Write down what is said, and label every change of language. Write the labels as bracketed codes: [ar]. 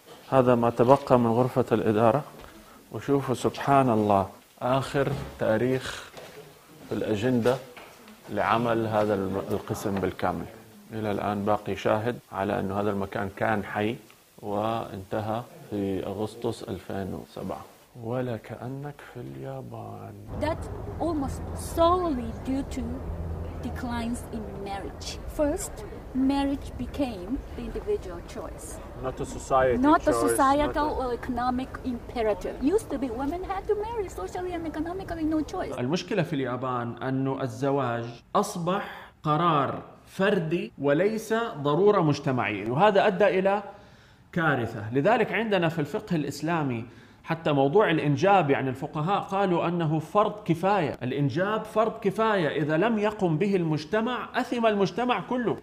[ar] هذا ما تبقى من غرفة الإدارة. وشوفوا سبحان الله آخر تاريخ في الأجندة لعمل هذا القسم بالكامل. إلى الآن باقي شاهد على أنه هذا المكان كان حي وانتهى في أغسطس 2007. ولا كأنك في اليابان. [en] That almost solely due to declines in marriage. First, marriage became the individual choice. Not a society. Not choice, a societal not a... or economic imperative. Used to be women had to marry socially and economically, no choice. [ar] المشكلة في اليابان أنه الزواج أصبح قرار فردي وليس ضرورة مجتمعية، وهذا أدى إلى كارثة. لذلك عندنا في الفقه الإسلامي حتى موضوع الإنجاب، يعني الفقهاء قالوا أنه فرض كفاية، الإنجاب فرض كفاية، إذا لم يقم به المجتمع أثم المجتمع كله.